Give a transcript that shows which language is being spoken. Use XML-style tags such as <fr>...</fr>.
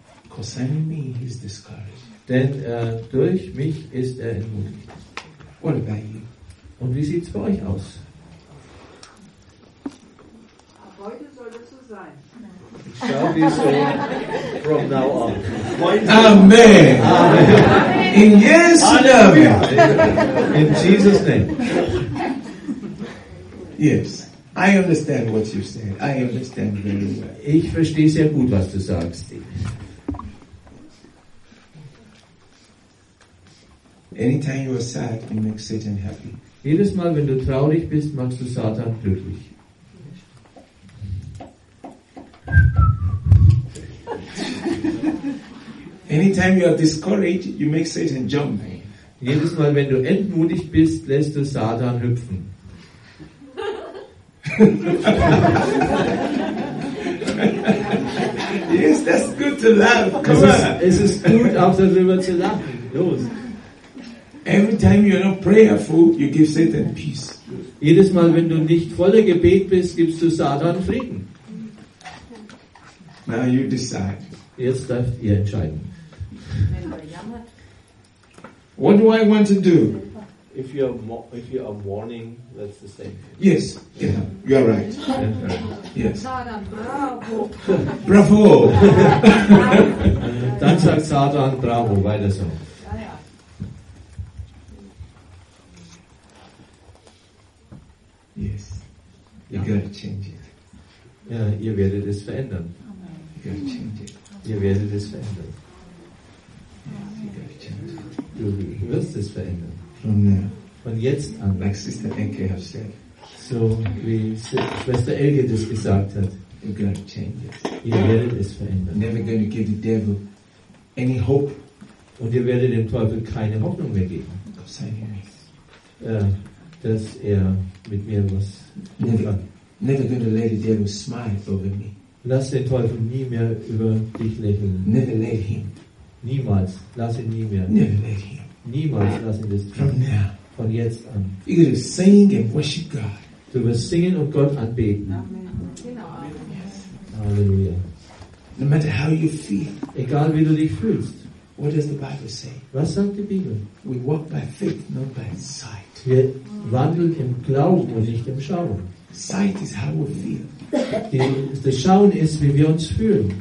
<en>Concerning me, he's discouraged.</en> <de>Denn durch mich ist er entmutigt.</de> <en>What about you?</en> <de>Und wie sieht's bei euch aus? Heute soll es so sein.</de> <en>It shall be so from now on. Amen. Amen. In Jesus' name. In Jesus' name. Yes. I understand what you're saying. I understand very well.</en> <de>Ich verstehe sehr gut, was du sagst.</de> <en>Anytime you are sad, you make Satan happy.</en> <de>Jedes Mal, wenn du traurig bist, machst du Satan glücklich.</de> <en>Anytime you are discouraged, you make Satan jump.</en> <de>Jedes Mal, wenn du entmutigt bist, lässt du Satan hüpfen.</de> <en>Yes, that's good to laugh. Come on.</en> <de>Es ist gut, auch darüber zu lachen. Los.</de> <en>Every time you're not prayerful, you give Satan peace.</en> <de>Jedes Mal, wenn du nicht voller Gebet bist, gibst du Satan Frieden.</de> <en>Now you decide.</en> <de>Jetzt darf ihr entscheiden.</de> <en>What do I want to do? If you are mourning, that's the same. Yes, yeah, you are right. Yes. Satan, bravo. Bravo.</en> <de>Dann sagt Satan,</de> <en>bravo,</en> <de>weiter so.</de> <en>Yes, you got to change it.</en> <de>Ja, ihr werdet es verändern.</de> <en>You got to change it.</en> <de>Ihr werdet es verändern.</de> <en>Yes, you got to change it.</en> <de>Du wirst es verändern.</de> <en>From now.</en> <de>Von jetzt an.</de> <en>Like Sister Elke has said.</en> <de>So, wie Schwester Elke das gesagt hat.</de> <en>You got to change it.</en> <de>Ihr werdet es verändern.</de> <en>Never going to give the devil any hope.</en> <de>Und ihr werdet dem Teufel keine Hoffnung mehr geben.</de> <en>Yes.</en> <de>Dass er mit mir was</de> <en>never gonna let the devil smile over me.</en> <de>Lass den Teufel nie mehr über dich lächeln.</de> <en>Never let him.</en> <de>Niemals. Lass ihn nie mehr.</de> <en>Never let him.</en> <de>Niemals. Lass ihn das tun.</de> <en>From now.</en> <de>Von jetzt an.</de> <en>You gotta sing and worship God.</en> <de>Du wirst singen und Gott anbeten.</de> <en>Amen. Yes. Halleluja. No matter how you feel.</en> <de>Egal wie du dich fühlst.</de> <en>What does the Bible say?</en> <de>Was sagt die Bibel?</de> <en>We walk by faith, not by sight.</en> <de>Wir wandeln im Glauben und nicht im Schauen.</de> <en>Sight is how we feel.</en> <de>Das Schauen ist, wie wir uns fühlen.</de>